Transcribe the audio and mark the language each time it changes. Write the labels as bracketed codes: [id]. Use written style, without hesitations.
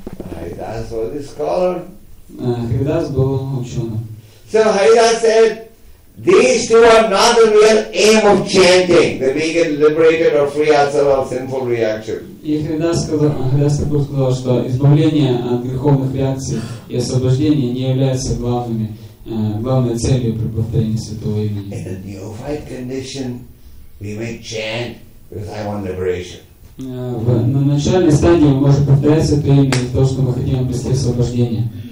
[en] Haridas was a scholar. [ru] Haridas был ученым. [en] So Haridas said, these two are not the real aim of chanting, that we get liberated or free ourselves of sinful reaction. [ru] И Хариас Такур сказал, что избавление от греховных реакций и освобождение не являются главной целью при повторении святого имени. [en] In a neophyte condition, we may chant because I want liberation. [ru] На начальной стадии мы можем повторять святое имя за то, что мы хотим обрести освобождение.